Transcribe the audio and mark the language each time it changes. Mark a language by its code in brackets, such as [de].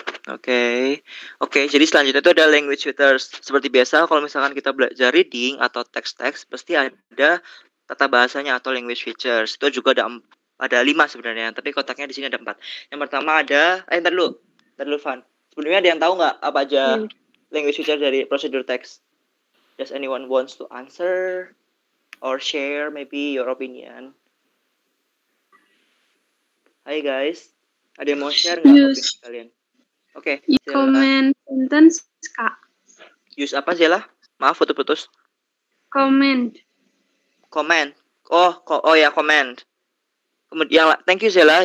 [id] Oke, okay, jadi selanjutnya itu ada language features. Seperti biasa, kalau misalkan kita belajar reading atau teks-teks, pasti ada tata bahasanya atau language features. Itu juga ada lima sebenarnya, tapi kotaknya di sini ada empat. Yang pertama ada, ntar dulu, Van. Sebenarnya ada yang tahu nggak apa aja language features dari procedure text? [en] Does anyone wants to answer or share maybe your opinion? [id] Hi guys, ada yang mau share nggak opini kalian? Oke. [en] Okay, comment sentence kak. [id] Use apa sih lah? Maaf putus-putus. [en] Comment. [id] Oh ya comment. Kemudian yang [en] thank you [id] Zella.